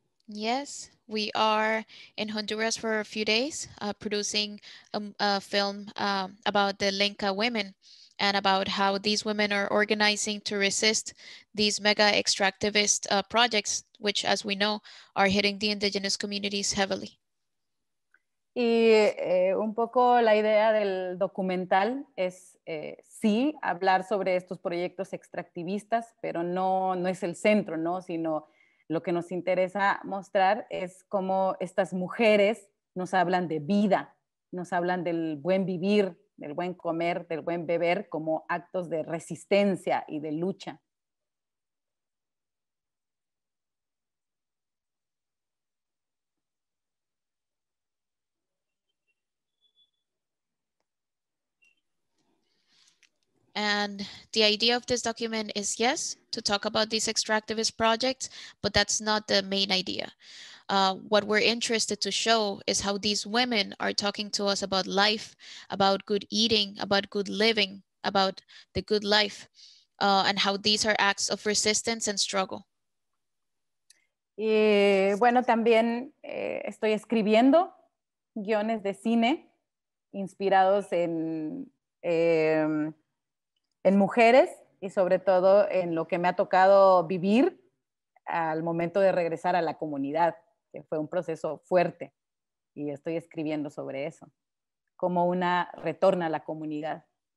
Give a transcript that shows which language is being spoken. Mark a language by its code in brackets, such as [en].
[en] Yes, we are in Honduras for a few days producing a film about the Lenca women and about how these women are organizing to resist these mega extractivist projects, which, as we know, are hitting the indigenous communities heavily. [es] Y un poco la idea del documental es sí hablar sobre estos proyectos extractivistas, pero no es el centro, ¿no? Sino lo que nos interesa mostrar es cómo estas mujeres nos hablan de vida, nos hablan del buen vivir, del buen comer, del buen beber, como actos de resistencia y de lucha. [en] And the idea of this document is, yes, to talk about these extractivist projects, but that's not the main idea. What we're interested to show is how these women are talking to us about life, about good eating, about good living, about the good life, and how these are acts of resistance and struggle. [es] Y bueno, también estoy escribiendo guiones de cine inspirados en mujeres y sobre todo en lo que me ha tocado vivir al momento de regresar a la comunidad, que fue un proceso fuerte y estoy escribiendo sobre eso, como una retorna a la comunidad.